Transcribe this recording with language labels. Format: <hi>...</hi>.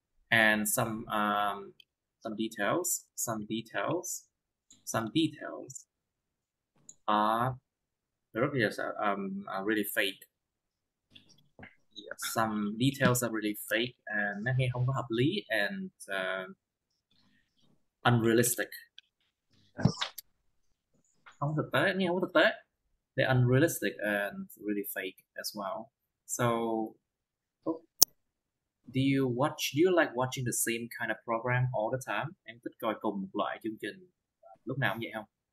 <en>And some details are really fake. Yeah. Some details are really fake and</en> <vi>nó nghe không có hợp lý</vi> <en>and unrealistic.</en> <vi>Không thực tế, nghe không thực tế.</vi> <en>They're unrealistic and really fake as well. So do you like watching the same kind of program all the time?</en> <vi>Em thích coi cùng một loại chương trình lúc nào cũng vậy không?</vi>